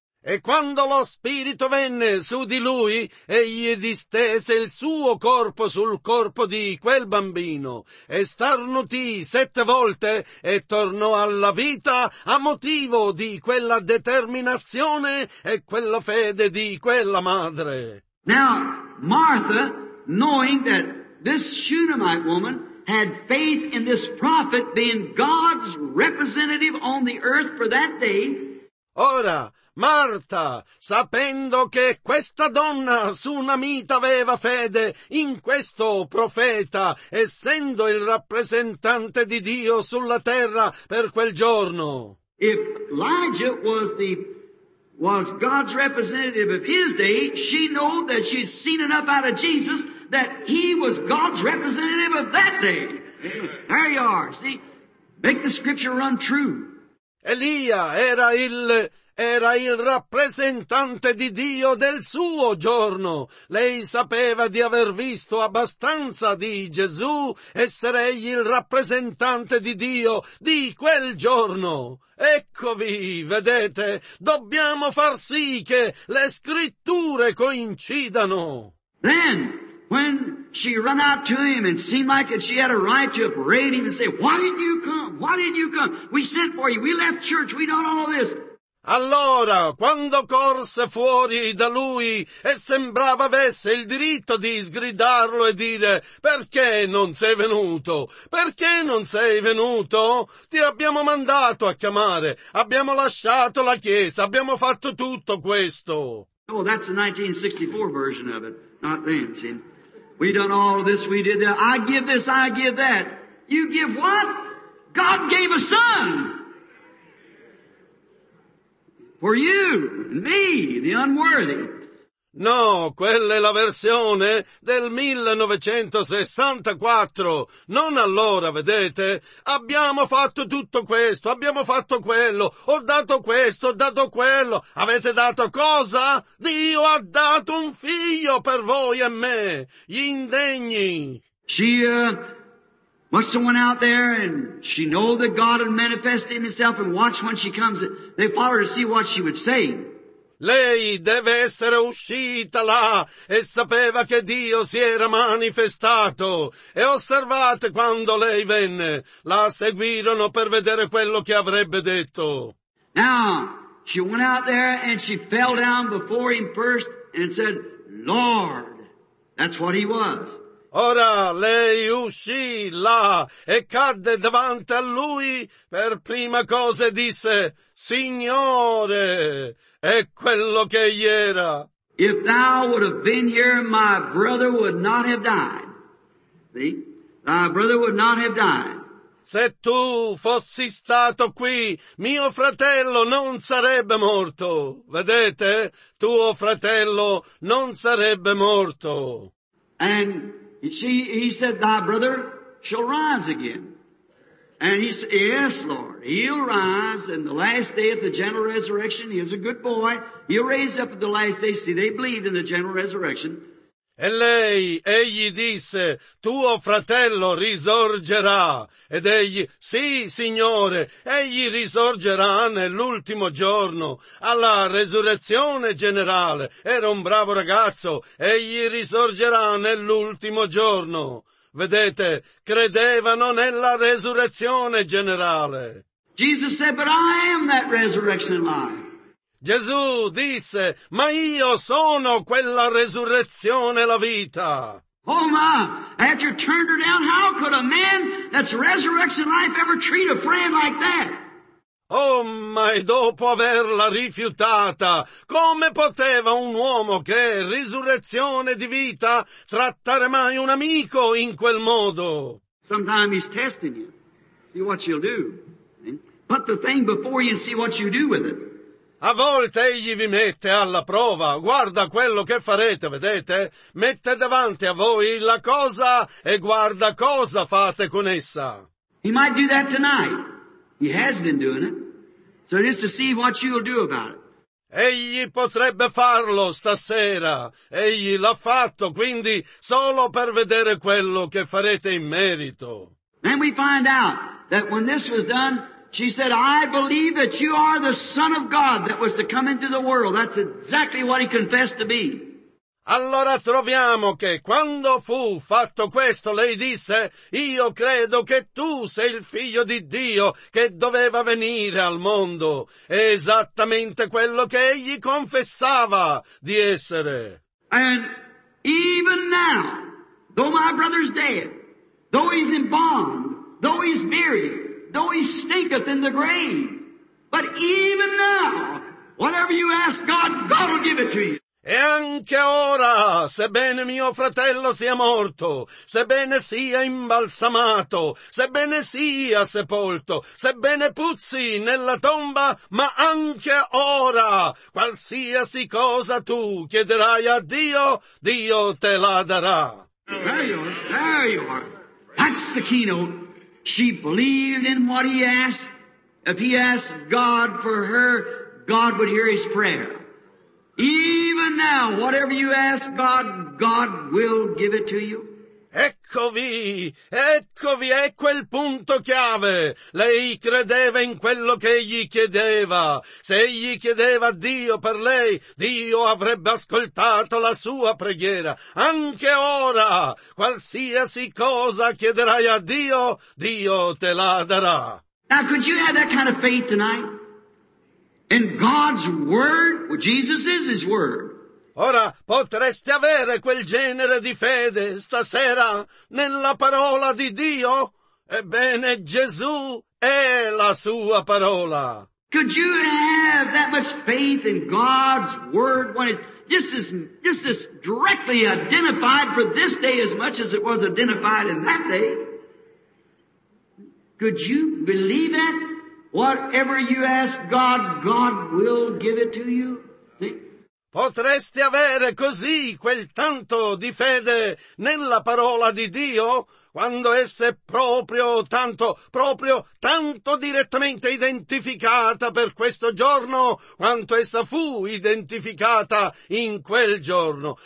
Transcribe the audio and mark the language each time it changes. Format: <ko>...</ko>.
<it>E quando lo Spirito venne su di lui, egli distese il suo corpo sul corpo di quel bambino, e starnutì 7 volte e tornò alla vita a motivo di quella determinazione e quella fede di quella madre.</it> <en>Now, Martha, knowing that this Shunammite woman had faith in this prophet being God's representative on the earth for that day.</en> <it>Ora, Marta, sapendo che questa donna sunamita aveva fede in questo profeta, essendo il rappresentante di Dio sulla terra per quel giorno.</it> <en>If Elijah was God's representative of his day, she knew that she'd seen enough out of Jesus that he was God's representative of that day. There you are, see? Make the scripture run true.</en> <it>Elia era il rappresentante di Dio del suo giorno. Lei sapeva di aver visto abbastanza di Gesù, essere egli il rappresentante di Dio di quel giorno. Eccovi, vedete, dobbiamo far sì che le scritture coincidano.</it> <en>Then, when she ran out to him and seemed like that she had a right to upbraid him and say, why didn't you come? Why didn't you come? We sent for you. We left church. We done all this.</en> <it>Allora, quando corse fuori da lui e sembrava avesse il diritto di sgridarlo e dire, perché non sei venuto? Perché non sei venuto? Ti abbiamo mandato a chiamare, abbiamo lasciato la chiesa, abbiamo fatto tutto questo.</it> <en>Oh, that's the 1964 version of it, not then, see. We done all this, we did that, I give this, I give that. You give what? God gave a son! For you, me, the unworthy.</en> <it>No, quella è la versione del 1964. Non allora, vedete? Abbiamo fatto tutto questo, abbiamo fatto quello, ho dato questo, ho dato quello. Avete dato cosa? Dio ha dato un figlio per voi e me. Gli indegni.</it> <en>Must have went out there and she know that God had manifested himself and watched when she comes. They followed her to see what she would say.</en> <it>Lei deve essere uscita là e sapeva che Dio si era manifestato. E osservate quando lei venne. La seguirono per vedere quello che avrebbe detto.</it> <en>Now, she went out there and she fell down before him first and said, Lord. That's what he was.</en> <it>Ora lei uscì là e cadde davanti a lui per prima cosa e disse, Signore, è quello che gli era.</it> <en>If thou would have been here, my brother would not have died. See? Thy brother would not have died.</en> <it>Se tu fossi stato qui, mio fratello non sarebbe morto. Vedete? Tuo fratello non sarebbe morto.</it> <en>And he said, thy brother shall rise again. And he said, yes, Lord, he'll rise in the last day at the general resurrection. He is a good boy. He'll raise up at the last day. See, they believed in the general resurrection.</en> <it>E lei, egli disse, tuo fratello risorgerà. Ed egli, sì, Signore, egli risorgerà nell'ultimo giorno, alla resurrezione generale. Era un bravo ragazzo, egli risorgerà nell'ultimo giorno. Vedete, credevano nella resurrezione generale.</it> <en>Jesus said, but I am that resurrection life.</en> <it>Gesù disse, ma io sono quella resurrezione e la vita.</it> <en>Oh my, after turned her down, how could a man that's resurrection life ever treat a friend like that?</en> <it>Oh ma, e dopo averla rifiutata, come poteva un uomo che è risurrezione di vita trattare mai un amico in quel modo?</it> <en>Sometimes he's testing you. See what you'll do. Put the thing before you and see what you do with it.</en> <it>A volte egli vi mette alla prova, guarda quello che farete, vedete? Mette davanti a voi la cosa e guarda cosa fate con essa.</it> <en>He might do that tonight. He has been doing it. So just to see what you'll do about it.</en> <it>Egli potrebbe farlo stasera. Egli l'ha fatto, quindi solo per vedere quello che farete in merito.</it> <en>Then we find out that when this was done, she said, I believe that you are the Son of God that was to come into the world. That's exactly what he confessed to be.</en> <it>Allora troviamo che quando fu fatto questo, lei disse, io credo che tu sei il figlio di Dio che doveva venire al mondo. È esattamente quello che egli confessava di essere.</it> <en>And even now, though my brother's dead, though he's in bond, though he's buried, though he stinketh in the grave, but even now, whatever you ask God, God will give it to you.</en> <it>E anche ora, sebbene mio fratello sia morto, sebbene sia imbalsamato, sebbene sia sepolto, sebbene puzzi nella tomba, ma anche ora, qualsiasi cosa tu chiederai a Dio, Dio te la darà.</it> <en>There you are, there you are. That's the keynote. She believed in what he asked. If he asked God for her, God would hear his prayer. Even now, whatever you ask God, God will give it to you.</en> <it>Eccovi, è quel punto chiave. Lei credeva in quello che egli chiedeva. Se egli chiedeva a Dio per lei, Dio avrebbe ascoltato la sua preghiera. Anche ora, qualsiasi cosa chiederai a Dio, Dio te la darà.</it> <en>Now, could you have that kind of faith tonight? In God's word, well, Jesus is his word.</en> <it>Ora, potresti avere quel genere di fede stasera nella parola di Dio? Ebbene, Gesù è la sua parola.</it> <en>Could you have that much faith in God's word when it's just as directly identified for this day as much as it was identified in that day? Could you believe that? Whatever you ask God, God will give it to you.</en> <it>Potresti avere così quel tanto di fede nella parola di Dio quando essa è proprio tanto direttamente identificata per questo giorno quanto essa fu identificata in quel giorno.</it>